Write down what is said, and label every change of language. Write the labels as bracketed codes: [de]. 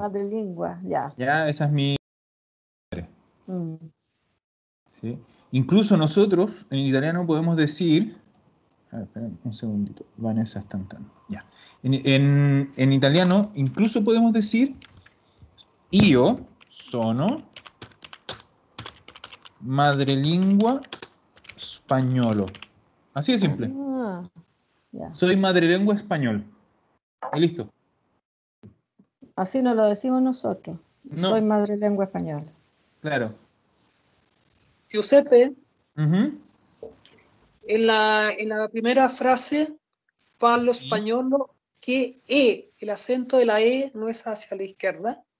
[es] Madre lengua, ya. Ya, esa es mi madre. ¿Sí? Incluso nosotros en italiano podemos decir. A ver, esperen un segundito. Vanessa está entrando. Ya. En italiano, incluso podemos decir. [it] Io sono madrelingua españolo. [es] Así de simple. Ah, Soy madrelengua español. Y listo. así nos lo decimos nosotros. Soy No. madre lengua española. Claro. Giuseppe, En la primera frase, parlo español, que E, el acento de la E no es hacia la izquierda.